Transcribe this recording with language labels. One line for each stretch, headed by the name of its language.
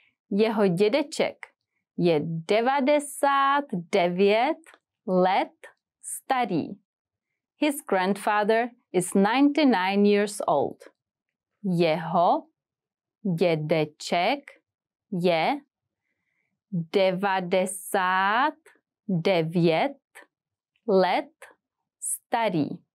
Czech: Jeho dědeček je 99 let starý.
English: His grandfather is 99 years old.
Czech: Jeho dědeček je 99 let starý.